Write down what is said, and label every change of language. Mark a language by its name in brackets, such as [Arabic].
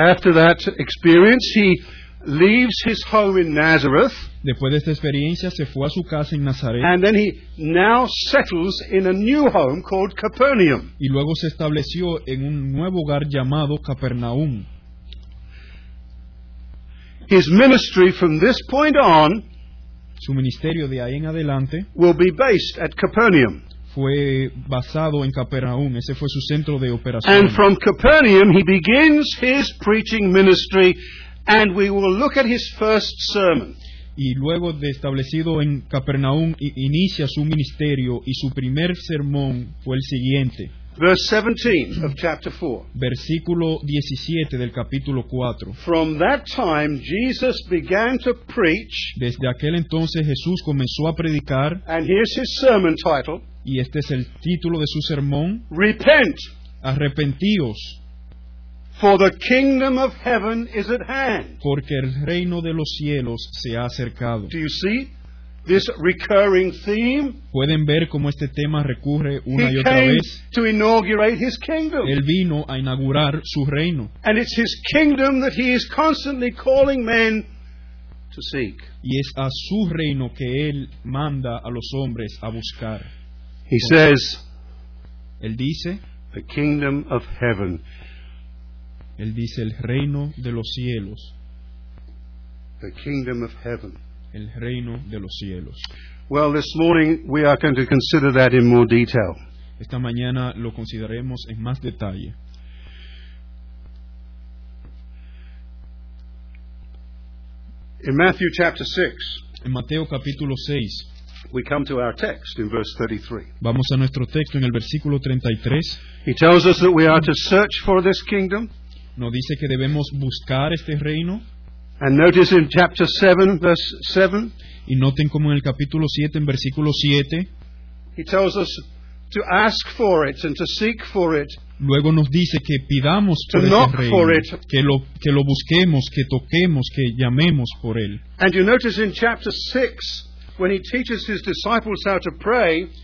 [English] After that experience, he leaves his home in Nazareth. [Spanish] Después de esta experiencia, se fue a su casa en Nazaret. [English] And then he now settles in a new home called Capernaum. [Spanish] Y luego se estableció en un nuevo hogar llamado Capernaum. [English] His ministry from this point on, [Spanish] su ministerio de ahí en adelante, [English] will be based at Capernaum. [Spanish] Fue basado en Capernaum. Ese fue su centro de operación. [English] And from Capernaum he begins his preaching ministry, and we will look at his first sermon. [Spanish] Y luego de establecido en Capernaum inicia su ministerio, y su primer sermón fue el siguiente. [English] Verse 17 of chapter 4. [Spanish] Versículo 17 del capítulo 4. [English] From that time Jesus began to preach. [Spanish] Desde aquel entonces Jesús comenzó a predicar. [English] And here's his sermon title. [Spanish] Y este es el título de su sermón. [English] Repent. [Spanish] Arrepentíos. [English] For the kingdom of heaven is at hand. [Spanish] Porque el reino de los cielos se ha acercado. [English] Do you see this recurring theme? [Spanish] ¿Pueden ver cómo este tema recurre una y otra vez? [English] He came to inaugurate his kingdom. [Spanish] Él vino a inaugurar su reino. [English] And it's his kingdom that he is constantly calling men to seek. [Spanish] Y es a su reino que él manda a los hombres a buscar. [English] He says, [Spanish] él dice, [English] the kingdom of heaven. [Spanish] Él dice, el reino de los cielos. [English] The kingdom of heaven. [Spanish] El reino de los cielos. [English] Well, this morning we are going to consider that in more detail. [Spanish] Esta mañana lo consideraremos en más detalle. [English] In Matthew chapter 6. [Spanish] En Mateo capítulo 6. [English] We come to our text in verse 33. [Spanish] Vamos a nuestro texto en el versículo 33. [English] He tells us that we are to search for this kingdom. [Spanish] Nos dice que debemos buscar este reino. [English] And notice in chapter 7, verse 7. [Spanish] Y noten como en el capítulo 7, en versículo 7. [English] He tells us to ask for it and to seek for it. [Spanish] Luego nos dice que pidamos por este reino. [English] For it. [Spanish] Que lo busquemos, que toquemos, que llamemos por él. [English] And you notice in chapter 6, when he teaches his disciples how to pray.